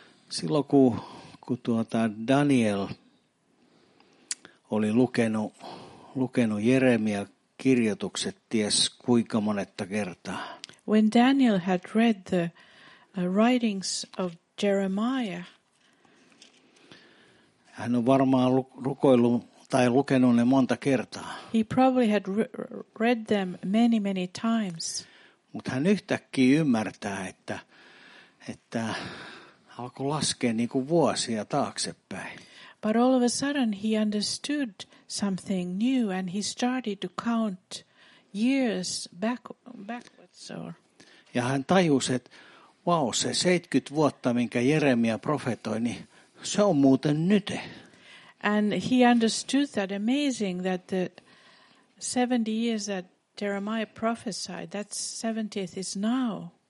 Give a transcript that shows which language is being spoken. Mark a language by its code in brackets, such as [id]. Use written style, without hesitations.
[fi] Silloin kun Daniel oli lukenut Jeremia kirjoitukset ties kuinka monetta kertaa. [en] When Daniel had read the writings of Jeremiah. [fi] Hän on varmaan rukoillut tai lukenut ne monta kertaa. [en] He probably had read them many, many times. [fi] Mutta hän yhtäkkiä ymmärtää, että alkoi laskea niin kuin vuosia taaksepäin. [en] But all of a sudden he understood something new and he started to count years backwards. [fi] Ja hän tajusi, että wow, se 70 vuotta, minkä Jeremia profetoi, niin se on muuten nyt. [en] And he understood that amazing that the 70 years that Jeremiah prophesied, that 70th is now.